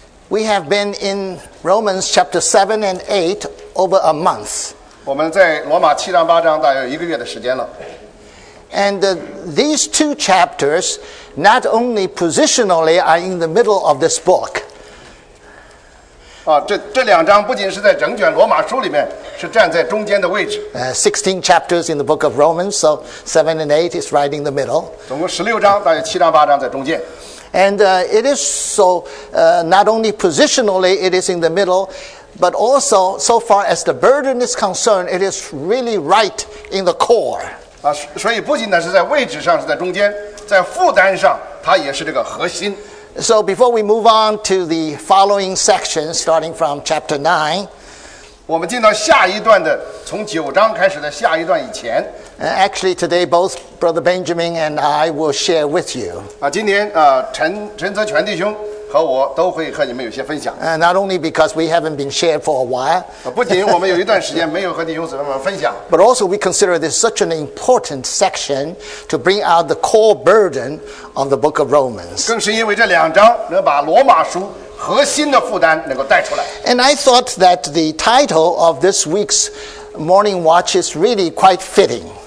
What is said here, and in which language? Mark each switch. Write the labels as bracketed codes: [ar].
[en] We have been in Romans chapter 7 and 8 over a month. And these two chapters, not only positionally are in the middle of this book, [zh] 这两章不仅是在整卷罗马书里面, 是站在中间的位置。 [en] 16 chapters in the book of Romans, so 7 and 8 is right in the middle. [zh] 总共16章, 大约7章8章在中间。 [en] And it is so, not only positionally it is in the middle, but also so far as the burden is concerned, it is really right in the core. [zh] 所以不仅是在位置上是在中间, 在负担上, 它也是这个核心。 [en] So before we move on to the following section, starting from chapter 9, [zh] 我们进到下一段的, 从9章开始的下一段以前, [en] actually, today both Brother Benjamin and I will share with you. [zh] 今天, 陈泽全弟兄和我都会和你们有些分享。 [en] Not only because we haven't been shared for a while, [zh] 不仅我们有一段时间没有和弟兄姊妹们分享, [en] but also we consider this such an important section to bring out the core burden of the book of Romans. [zh] 更是因为这两章能把罗马书 [en] And I thought that the title of this week's morning watch is really quite fitting.